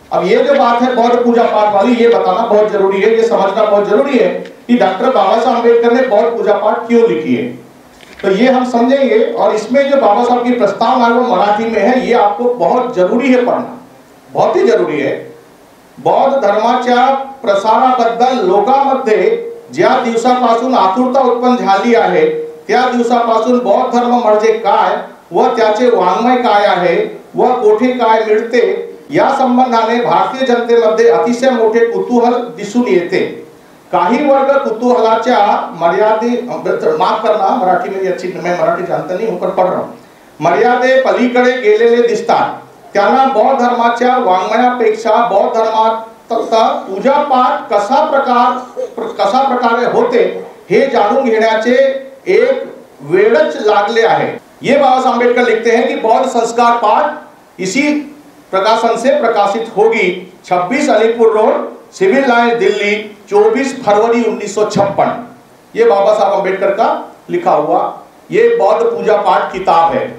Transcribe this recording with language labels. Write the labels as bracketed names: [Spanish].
[Hindi] अब ये जो बात है बौद्ध पूजा पाठ वाली, ये बताना बहुत जरूरी है, ये समझना बहुत जरूरी है कि डॉक्टर बाबा साहब अम्बेडकर ने बौद्ध पूजा पाठ क्यों लिखी है, तो ये हम समझेंगे। और इसमें जो बाबा साहब की प्रस्तावना वो मराठी में है, ये आपको बहुत जरूरी है पढ़ना, बहुत ही जरूरी है। [Marathi] बौद्ध धर्माचार प्रसाराबद्दल लोकामध्ये ज्या दिवसापासून आतुरता उत्पन्न झाली आहे त्या दिवसापासून बौद्ध धर्म म्हणजे काय व त्याचे वाङ्मय काय आहे व कोठे काय मिळते या संबंधाने भारतीय जनतेमध्ये अतिशय मोठे कुतूहल दिसून येते। काही वर्ग कुतूहलाच्या मर्यादे, [Hindi] माफ करना मराठी में अच्छी, मैं मराठी जानता नहीं हूं पर पढ़ रहा हूं, [Marathi] मर्यादे पलीकडे गेलेले दिसतात, त्यांना बौद्ध धर्माच्या वाङ्मयापेक्षा बौद्ध धर्माचा पूजा पाठ कशा प्रकारे होते हे जाणून घेण्याचे एक वेळच लागले आहे। [Hindi] ये बाबा आंबेडकर लिखते हैं कि बौद्ध संस्कार पाठ इसी प्रकाशन से प्रकाशित होगी, 26 Alipur road civil line Delhi, 24 फरवरी 1956। ये बाबा साहब अंबेडकर का लिखा हुआ ये बौद्ध पूजा पाठ किताब है।